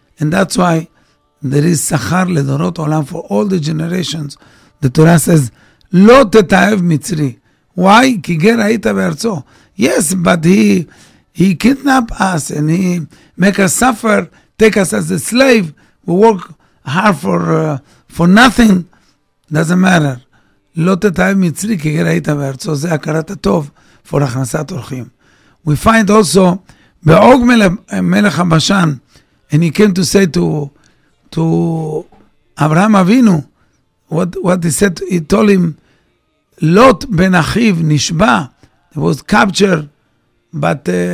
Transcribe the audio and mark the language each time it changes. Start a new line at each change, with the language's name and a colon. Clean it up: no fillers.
English: And that's why there is Sachar Ledorot Olam for all the generations. The Torah says,
Hebrew: Lo Tetaev Mitzri.
English: Why?
Hebrew: Ki Ger Hayita Be'artzo.
English: Yes, but He kidnap us and he make us suffer, take us as a slave. We work hard for nothing. Doesn't matter.
Hebrew: לא תתאהב מצרי כי גר היית בארצו. זה הכרת הטוב
English: for
Hebrew: הכנסת אורחים.
English: We find also
Hebrew: באוג מלך הבשן,
English: and he came to say to אברהם אבינו, what he said, he told him,
Hebrew: לוט בן אחיו נשבע,
English: he was captured, but